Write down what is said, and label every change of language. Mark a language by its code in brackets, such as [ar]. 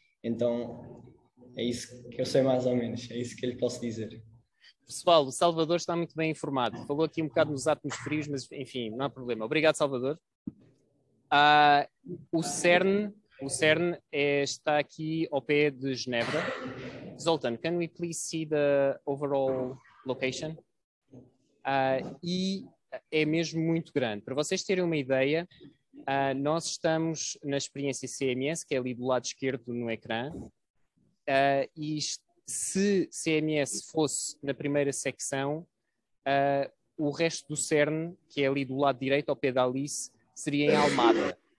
[pt] Então, é isso que eu sei mais ou menos, é isso que eu lhe posso dizer. Pessoal, o Salvador está muito bem informado. Falou aqui um bocado nos átomos frios, mas enfim, não há problema. Obrigado, Salvador. O CERN está aqui ao pé de Genebra. [en] Zoltan, can we please see the overall location? [pt] E é mesmo muito grande. Para vocês terem uma ideia, nós estamos na experiência CMS, que é ali do lado esquerdo no ecrã, e está... Se CMS fosse na primeira secção, o resto do CERN, que é ali do lado direito, ao pé da Alice, seria em Almada.